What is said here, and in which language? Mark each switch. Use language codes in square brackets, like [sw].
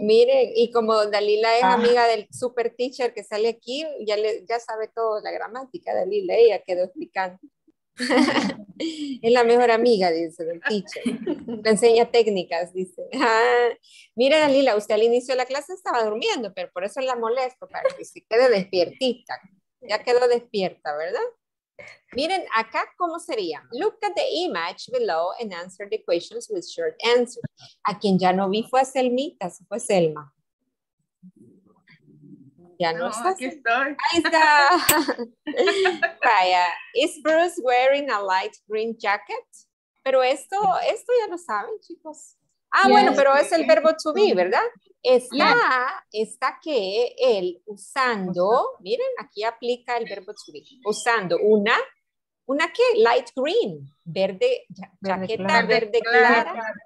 [es] Miren, y como Dalila es amiga del super teacher que sale aquí, ya sabe todo la gramática, Dalila, ella quedó explicando. Es la mejor amiga, dice, del teacher. Le enseña técnicas, dice. Ah, mire, Dalila, usted al inicio de la clase estaba durmiendo, pero por eso la molesto, para que se quede despiertita. Ya quedó despierta, ¿verdad? Miren, acá, ¿cómo sería? [en] Look at the image below and answer the questions with short answers. [es] A quien ya no vi fue a Selmita, se fue Selma. Ya no está. Aquí estoy. Ahí está. Vaya. [en] ¿Is Bruce wearing a light green jacket? [es] Pero esto ya lo saben, chicos. Ah, yes, bueno, pero es el verbo to be, ¿verdad? Está que él usando, miren, aquí aplica el verbo to be, usando una que light green, verde, jaqueta verde clara.